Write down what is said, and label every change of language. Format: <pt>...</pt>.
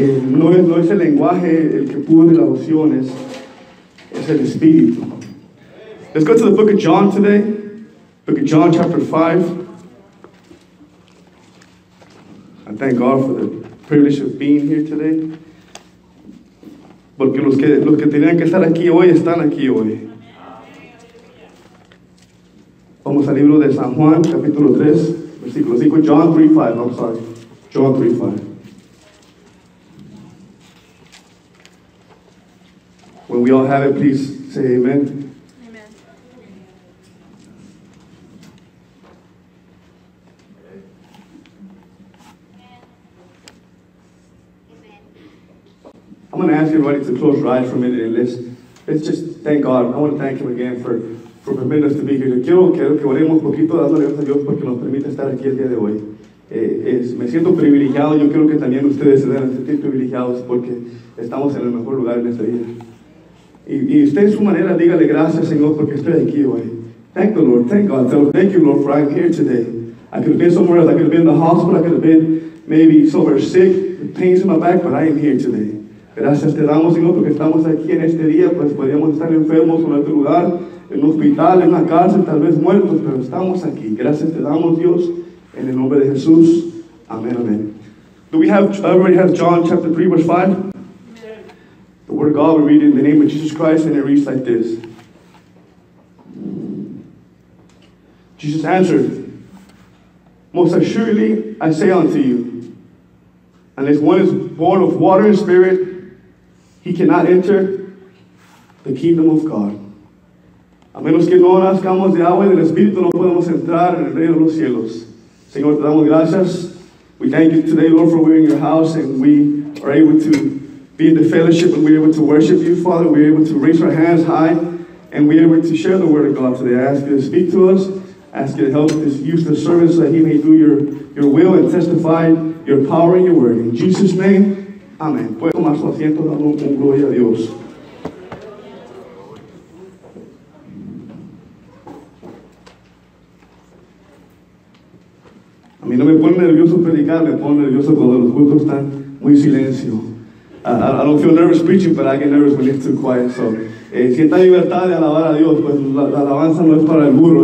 <es>No es el lenguaje el que pudre las oraciones, es el Espíritu.</es> <en>Let's go to the book of John today. Book of John, chapter 5. I thank God for the privilege of being here today.</en> <es>Porque los que tenían que estar aquí hoy, están aquí hoy. Vamos al libro de San Juan, capítulo 3, versículo 5.</es> <en>John 3, 5, I'm sorry. John 3, 5. When we all have it, please say amen. Amen. I'm going to ask everybody to close your eyes for a minute and let's just thank God. I want to thank Him again for permitting us to be here.</en> <es>Quiero que oremos un poquito dándole gracias a Dios porque nos permite estar aquí el día de hoy. Me siento privilegiado. Yo quiero que también ustedes se den a sentir privilegiados porque estamos en el mejor lugar en esta vida. Y usted en su manera dígale gracias, Señor, porque estoy aquí hoy.</es> <en>Thank the Lord. Thank God. Thank you, Lord, for I'm here today. I could have been somewhere else. I could have been in the hospital. I could have been maybe somewhere sick with pains in my back, but I am here today.</en> <es>Gracias te damos, Señor, porque estamos aquí en este día, pues podríamos estar enfermos en otro lugar, en un hospital, en una cárcel, tal vez muertos, pero estamos aquí. Gracias te damos, Dios, en el nombre de Jesús. Amén, amén.</es> <en>Do we have, everybody has John chapter 3, verse 5? The word of God, we read in the name of Jesus Christ, and it reads like this. Jesus answered, most assuredly I say unto you, unless one is born of water and spirit, he cannot enter the kingdom of God.</en> <es>A menos que no nazcamos de agua y del Espíritu, no podemos entrar en el reino de los cielos. Señor, te damos gracias.</es> <en>We thank you today, Lord, for being in your house, and we are able to be in the fellowship, and we are able to worship you, Father. We are able to raise our hands high, and we are able to share the word of God today. I ask you to speak to us. I ask you to help this useless servant so that he may do your will and testify your power and your word. In Jesus' name.</en> <es>Amén. Puedo tomar su asiento dando un gloria a Dios. A mí no me pone nervioso predicar, me pone nervioso cuando los cultos están muy silencio.</es> <en>I don't feel nervous preaching, but I get nervous when it's too quiet.</en> <es>So, sienta libertad de alabar a Dios, pues la alabanza no es para el burro.</es>